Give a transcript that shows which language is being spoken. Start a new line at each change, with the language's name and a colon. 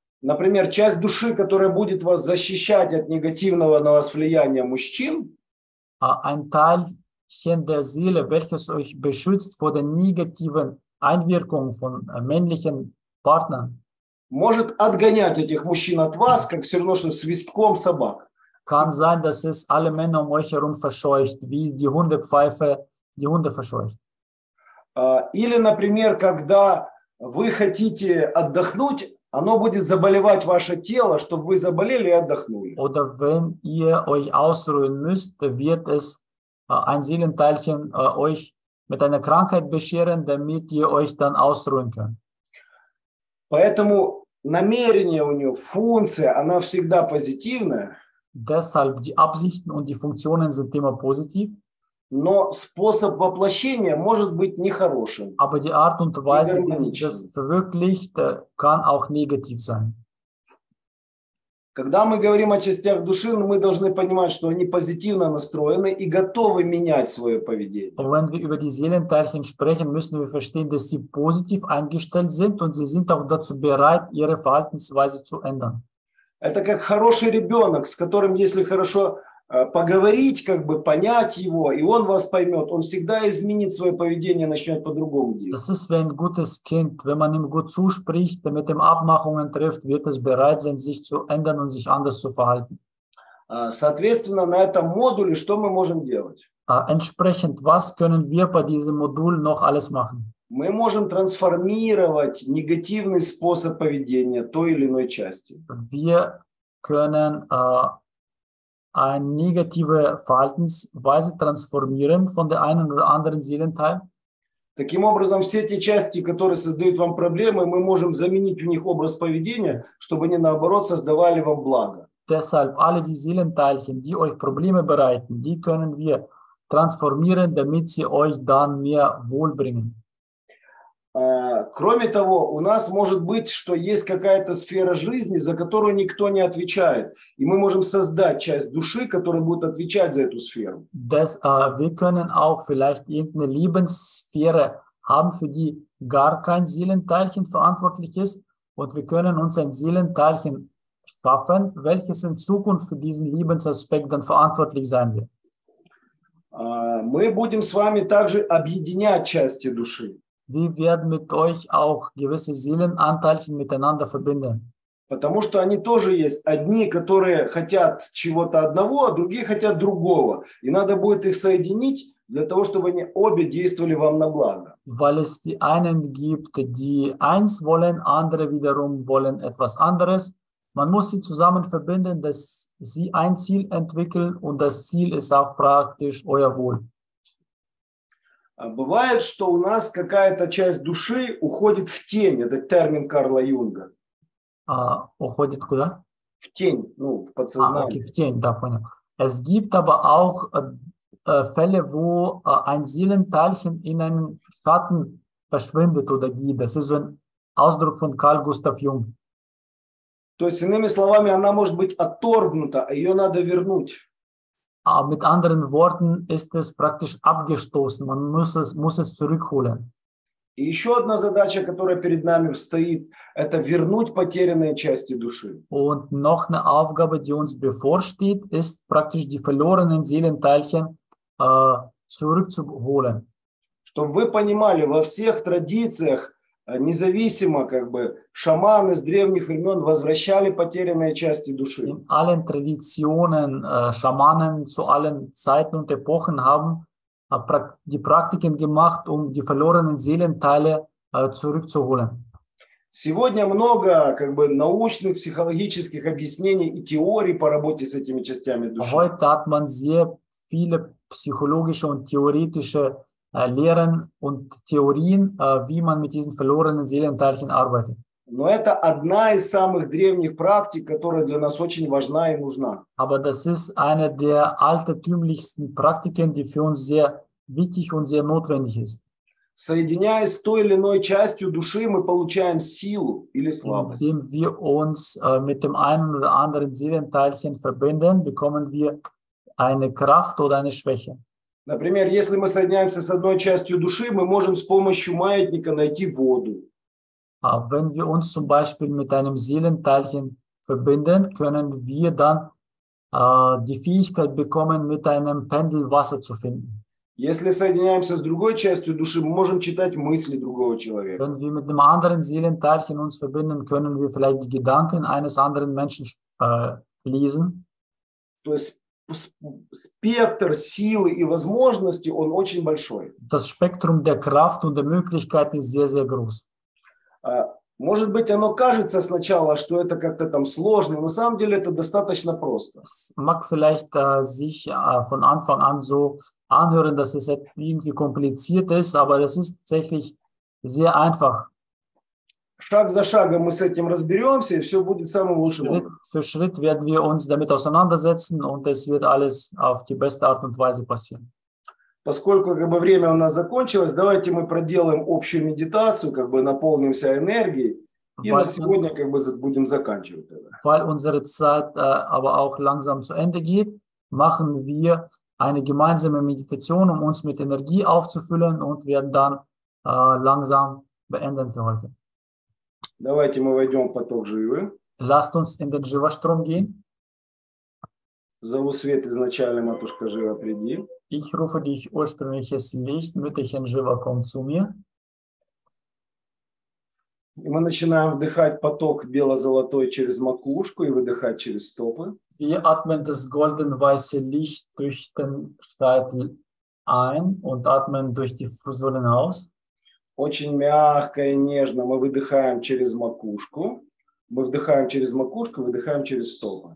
Russian: Например, часть души, которая будет вас защищать от негативного на вас влияния мужчин,
German: ein Teilchen der Seele, welches euch beschützt vor der negativen Einwirkung von männlichen Partnern,
Russian: может отгонять этих мужчин от вас, как все равно, что свистком собак.
German: Kann sein, dass es alle Männer um euch herum verscheucht, wie die Hundepfeife die Hunde verscheucht.
Russian: Или, например, когда вы хотите отдохнуть, оно будет заболевать ваше тело, чтобы вы заболели и отдохнули.
German: Oder wenn ihr euch ausruhen müsst, wird es ein Seelenteilchen euch mit einer Krankheit bescheren, damit ihr euch dann ausruhen könnt.
Russian: Поэтому намерение у нее, функция, она всегда позитивная.
German: Deshalb die Absichten und die Funktionen sind immer positiv.
Russian: Но способ воплощения может быть нехорошим.
German: Aber die Art und Weise, wie sich das verwirklicht, kann auch negativ sein.
Russian: Когда мы говорим о частях души, мы должны понимать, что они позитивно настроены и готовы менять свое поведение.
German: Und wenn wir über die Seelenteilchen sprechen, müssen wir verstehen, dass sie positiv eingestellt sind und sie sind auch dazu bereit, ihre Verhaltensweise zu ändern.
Russian: Это как хороший ребенок, с которым, если хорошо поговорить, как бы понять его, и он вас поймет, он всегда изменит свое поведение, начнет по-другому действовать.
German: Das ist wie ein gutes Kind, wenn man ihm gut zuspricht, mit ihm Abmachungen trifft, wird es bereit sein, sich zu ändern und sich anders zu verhalten.
Russian: Соответственно, на этом модуле что мы можем делать?
German: Entsprechend, was können wir bei diesem Modul noch alles machen?
Russian: Мы можем трансформировать негативный способ поведения той или иной части.
German: Wir können eine negative Verhaltensweise transformieren von der einen oder anderen Seelenteil.
Russian: Таким образом, все те части, которые создают вам проблемы, мы можем заменить у них образ поведения, чтобы они, наоборот, создавали вам благо.
German: Deshalb, alle die Seelenteilchen, die euch Probleme bereiten, die können wir transformieren, damit sie euch dann mehr Wohl bringen.
Russian: Кроме того, у нас может быть, что есть какая-то сфера жизни, за которую никто не отвечает. И мы можем создать часть души, которая будет отвечать за эту сферу.
German: Das, wir können auch vielleicht irgendeine Lebenssphäre haben, für die gar kein Seelenteilchen verantwortlich ist. Und wir können uns ein Seelenteilchen schaffen, welches in Zukunft für diesen Lebensaspekt dann verantwortlich sein wird.
Russian: Мы будем с вами также объединять части души.
German: Wir werden mit euch auch gewisse Seelenanteilchen miteinander verbinden.
Russian: Потому что они тоже есть одни, которые хотят чего-то одного, а другие хотят другого. И надо будет их соединить для того, чтобы они обе действовали вам на благо.
German: Weil es die einen gibt, die eins wollen, andere wiederum wollen etwas anderes. Man muss sie zusammen verbinden, dass sie ein Ziel entwickeln und das Ziel ist auch praktisch euer Wohl.
Russian: Бывает, что у нас какая-то часть души уходит в тень. Это термин Карла Юнга. Уходит куда? В тень, ну, в подсознание. Okay, в тень, да, понял.
German: Es gibt aber auch Fälle, wo ein Seelenteilchen in einen Schatten verschwindet oder geht. Das ist ein Ausdruck von Carl Gustav Jung.
Russian: То есть, иными словами, она может быть отторгнута, а ее надо вернуть.
German: Mit anderen Worten ist es praktisch abgestoßen. Man muss es zurückholen.
Russian: И еще одна задача, которая перед нами стоит, это вернуть потерянные части души.
German: Und noch eine Aufgabe, die uns bevorsteht, ist praktisch die verlorenen Seelenteilchen zurückzuholen.
Russian: Чтобы вы понимали, во всех традициях, независимо, как бы, шаманы с древних времен возвращали потерянные части души.
German: In allen Traditionen Schamanen zu allen Zeiten und Epochen haben die Praktiken gemacht, um die verlorenen Seelenteile zurückzuholen.
Russian: Сегодня много, как бы, научных, психологических объяснений и теорий по работе с этими частями души.
German: Heute hat man sehr viele psychologische und theoretische Lehren und Theorien, wie man mit diesen verlorenen Seelenteilchen arbeitet.
Russian: Но это одна из самых древних практик, которая для нас очень важна и нужна.
German: Aber das ist eine der altertümlichsten Praktiken, die für uns sehr wichtig und sehr notwendig ist.
Russian: Соединяясь с той или иной частью души, мы получаем силу или слабость.
German: Indem wir uns mit dem einen oder anderen Seelenteilchen verbinden, bekommen wir eine Kraft oder eine Schwäche.
Russian: Например, если мы соединяемся с одной частью души, мы можем с помощью маятника найти воду.
German: Wenn wir uns zum Beispiel mit einem Seelenteilchen verbinden, können wir dann die Fähigkeit bekommen, mit einem Pendel Wasser zu finden.
Russian: Если соединяемся с другой частью души, мы можем читать мысли другого человека.
German: Wenn wir mit einem anderen Seelenteilchen uns verbinden, können wir vielleicht die Gedanken eines anderen Menschen lesen.
Russian: То есть спектр силы и возможностей, он очень большой.
German: Das Spektrum der Kraft und der Möglichkeiten ist sehr, sehr groß.
Russian: Может быть, оно кажется сначала, что это как-то там сложно, но на самом деле это достаточно просто.
German: Es mag vielleicht sich von Anfang an so anhören, dass es irgendwie kompliziert ist, aber es ist tatsächlich sehr einfach.
Russian: Шаг за шагом мы с этим разберемся, и все будет самым лучшим образом.
German: Schritt für Schritt werden wir uns damit auseinandersetzen und es wird alles auf die beste Art und Weise passieren.
Russian: Поскольку как бы время у нас закончилось, давайте мы проделаем общую медитацию, как бы наполнимся энергией и на сегодня как бы будем заканчивать.
German: Weil unsere Zeit aber auch langsam zu Ende geht, machen wir eine gemeinsame Meditation, um uns mit Energie aufzufüllen und werden dann langsam beenden für heute.
Russian: Давайте мы войдем в поток живы.
German: Lasst uns in den Jiva-Strom gehen.
Russian: Зову свет изначально, матушка Жива, приди.
German: Ich rufe dich ursprüngliches Licht, Mütterchen Shiva, komm zu mir.
Russian: Мы начинаем вдыхать поток бело-золотой через макушку и выдыхать через стопы.
German: Wir atmen das golden-weiße Licht durch den Scheitel ein und atmen durch die Fußsohlen aus.
Russian: Очень мягко и нежно мы выдыхаем через макушку. Мы вдыхаем через макушку, выдыхаем через стопы.